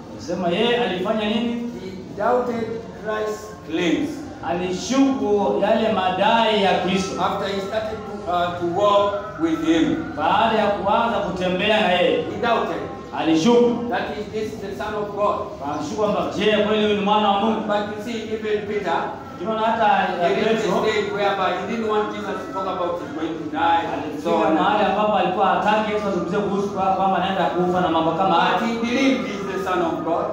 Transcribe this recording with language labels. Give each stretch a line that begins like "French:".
Swahili: Sema yeye alifanya nini?
English: He doubted Christ's claims.
Swahili: Alishuku yale madai ya Kristo.
English: After he started to walk with him.
Swahili: Baada ya kuanza kutembea na yeye.
English: He doubted.
Swahili: Alishuku.
English: That is this the Son of God.
Swahili: Alishuku kwamba je kweli huyu ni mwana wa Mungu.
English: But you see even Peter.
Swahili: Unaona hata Petro.
English: He didn't want Jesus to talk about his going to die.
Swahili: So mahali ambapo alikuwa hataki Yesu azungumzie kuhusu kwamba anaenda kufa na mambo kama hayo.
English: He believed he is the Son of God.